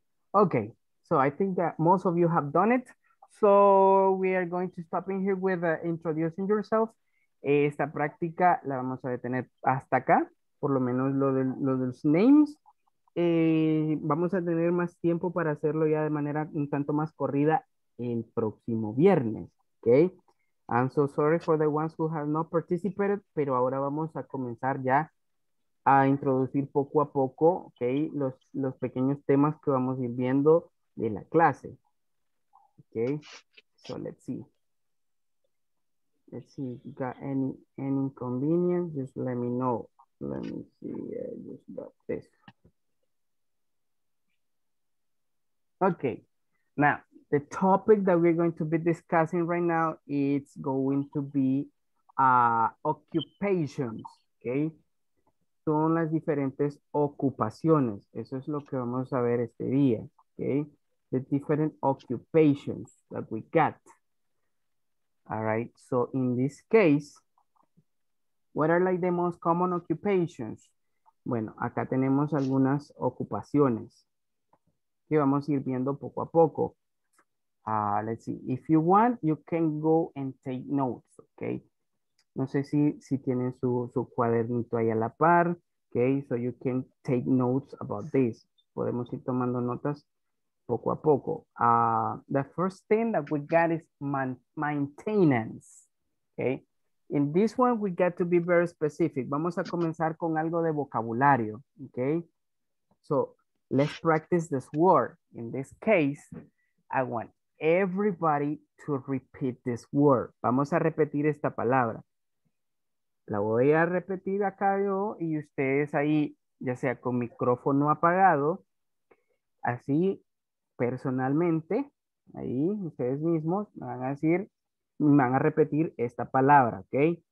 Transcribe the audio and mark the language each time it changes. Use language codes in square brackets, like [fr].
[en] Ok, so I think that most of you have done it. So we are going to stop in here with introducing yourself. [es] Esta práctica la vamos a detener hasta acá, por lo menos lo de los names. Vamos a tener más tiempo para hacerlo ya de manera un tanto más corrida el próximo viernes, ¿ok? [en] I'm so sorry for the ones who have not participated, [es] pero ahora vamos a comenzar ya a introducir poco a poco, ¿ok? Los pequeños temas que vamos a ir viendo de la clase, ¿ok? [en] So let's see, if you got any inconvenience, just let me know. Let me see, just about this. Okay, now the topic that we're going to be discussing right now, it's going to be occupations, okay? [es] Son las diferentes ocupaciones. Eso es lo que vamos a ver este día, okay? [en] The different occupations that we got. All right, so in this case, what are like the most common occupations? [es] Bueno, acá tenemos algunas ocupaciones que vamos a ir viendo poco a poco. [en] Let's see. If you want, you can go and take notes, okay? [es] No sé si tienen su cuadernito ahí a la par, okay? [en] So you can take notes about this. [es] Podemos ir tomando notas poco a poco. [en] The first thing that we got is maintenance, okay? In this one, we got to be very specific. [es] Vamos a comenzar con algo de vocabulario, [en] okay? So let's practice this word. In this case, I want everybody to repeat this word. [es] Vamos a repetir esta palabra. La voy a repetir acá yo y ustedes ahí, ya sea con micrófono apagado, así personalmente, ahí ustedes mismos me van a decir, me van a repetir esta palabra, ¿ok?